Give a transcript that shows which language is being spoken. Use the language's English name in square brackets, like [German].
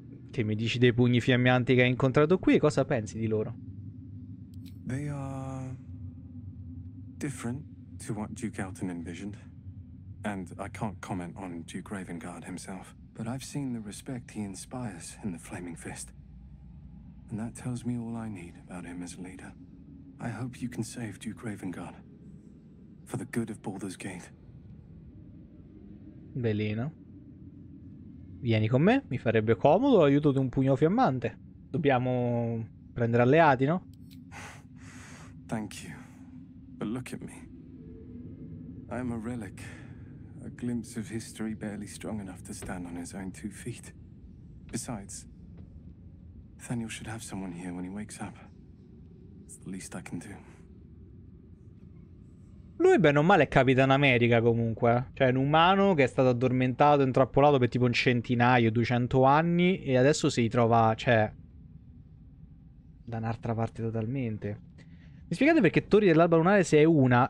[Italian] Che mi dici dei pugni fiammianti che hai incontrato qui? Cosa pensi di loro? [English] They are different to what Duke Elton envisioned, and I can't comment on Duke Ravengard himself. But I've seen the respect he inspires in the Flaming Fist, and that tells me all I need about him as a leader. I hope you can save Duke Ravengard for the good of Baldur's Gate. [Italian] Bellino. Vieni con me, mi farebbe comodo l'aiuto di un pugno fiammante. Dobbiamo prendere alleati, no? [English] Thank you. But look at me. I'm a relic, a glimpse of history barely strong enough to stand on his own two feet. Besides, Daniel should have someone here when he wakes up. It's the least I can do. [Italian] Lui bene o male è Capitan America comunque. Cioè un umano che è stato addormentato, intrappolato per tipo un centinaio, 200 anni, e adesso si ritrova, cioè, da un'altra parte totalmente. Mi spiegate perché Torri dell'Alba Lunare se è una?